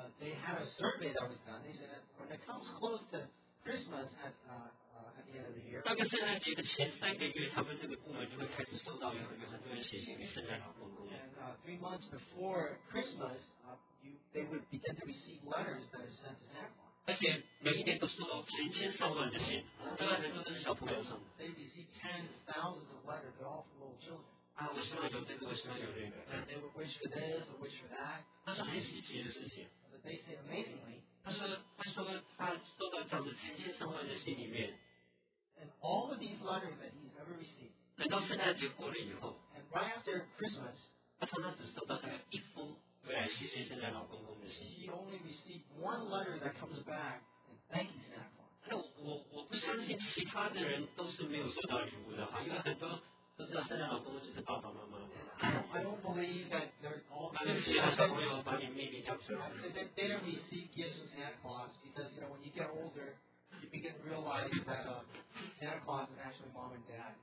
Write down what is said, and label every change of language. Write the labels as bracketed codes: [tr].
[en] they had a survey that was done. They said that when it comes close to Christmas at the end of the year. [zh] 大概圣诞节的前三个月，他们这个部门就会开始收到有很多人写信给圣诞老公公。 [en] And 3 months before Christmas, they would begin to receive letters that are sent to Santa Claus. [zh] 而且每一年都是有成千上万的信，大概很多都是小朋友送的。 [en] They received tens of thousands of letters, they're all from little children. [zh] 啊，我希望有这个，我希望有那个。 [en] And they would wish for this, or wish for that. [zh] 那是很稀奇的事情。 [en] But they say amazingly. [zh] 他说他收到这样子成千上万的信里面。 [en] And all of these letters that he's ever received. [zh] 等到圣诞节过了以后。 [en] And right after Christmas. [zh] 他常常只收到大概一封。 [en] He only received one letter that comes back and thanks that one. [zh] 我不相信其他的人都是没有收到礼物的哈，因为很多都知道圣诞老公公就是爸爸妈妈。 [en] I don't believe that they're all. [zh] 那对不起啊，小朋友，把你秘密讲出来。 [en] They don't receive gifts from Santa Claus because you know when you get older, you begin realizing that Santa Claus is actually mom and dad.